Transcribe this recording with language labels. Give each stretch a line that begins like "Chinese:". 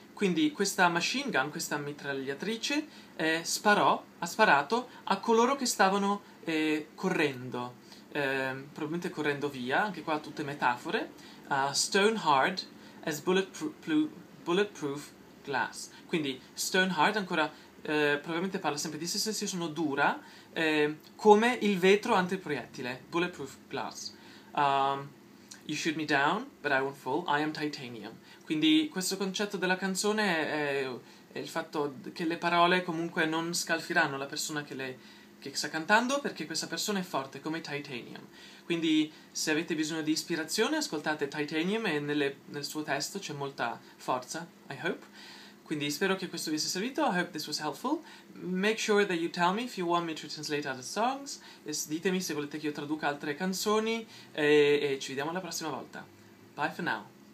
Italian: Quindi questa machine gun, questa mitragliatrice, ha sparato a coloro che stavano correndo, probabilmente correndo via. Anche qua tutte metafore. Stone hard as bulletproof glass. Quindi stone hard ancora. Probabilmente parla sempre di se stessi, sono dura, come il vetro antiproiettile, bulletproof glass.
English: You shoot me down, but I won't fall, I am titanium.
Italian: Quindi questo concetto della canzone è il fatto che le parole comunque non scalfiranno la persona che sta cantando, perché questa persona è forte come titanium. Quindi se avete bisogno di ispirazione, ascoltate Titanium e nel suo testo c'è molta forza,
English: I hope.
Italian: Quindi spero che questo vi sia servito.
English: I hope this was helpful. Make sure that you tell me if you want me to translate other songs.
Italian: Ditemi se volete che io traduca altre canzoni. E ci vediamo la prossima volta.
English: Bye for now.